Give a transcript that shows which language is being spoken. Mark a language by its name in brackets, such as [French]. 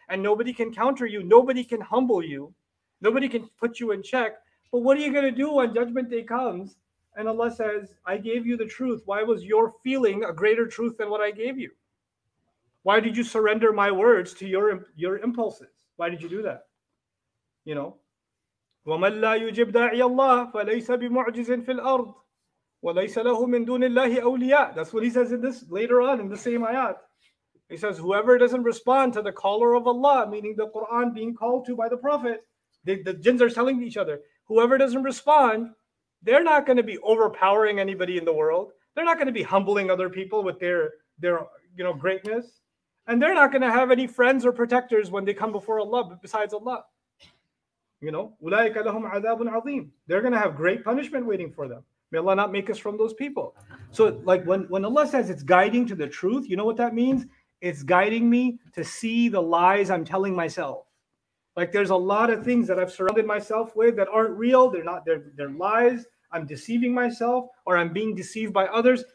[English] And nobody can counter you. Nobody can humble you. Nobody can put you in check. But what are you going to do when judgment day comes and Allah says, I gave you the truth. Why was your feeling a greater truth than what I gave you? Why did you surrender my words to your impulses? Why did you do that? You know, [Arabic] وَمَنْ لَا يُجِبْ دَاعِيَ اللَّهِ فَلَيْسَ بِمُعْجِزٍ فِي الْأَرْضِ وَلَيْسَ لَهُ مِنْ دُونِ اللَّهِ أَوْلِيَاءِ. [English] That's what he says in this later on in the same ayat. He says, whoever doesn't respond to the caller of Allah, meaning the Quran being called to by the Prophet, the jinns are telling each other, whoever doesn't respond, they're not going to be overpowering anybody in the world. They're not going to be humbling other people with their you know, greatness. And they're not going to have any friends or protectors when they come before Allah besides Allah. You know, [Arabic] أُولَٰئِكَ لَهُمْ عَذَابٌ عَظِيمٌ. [English] They're going to have great punishment waiting for them. May Allah not make us from those people. So like when Allah says it's guiding to the truth, you know what that means? It's guiding me to see the lies I'm telling myself. Like there's a lot of things that I've surrounded myself with that aren't real. They're lies. I'm deceiving myself, or I'm being deceived by others.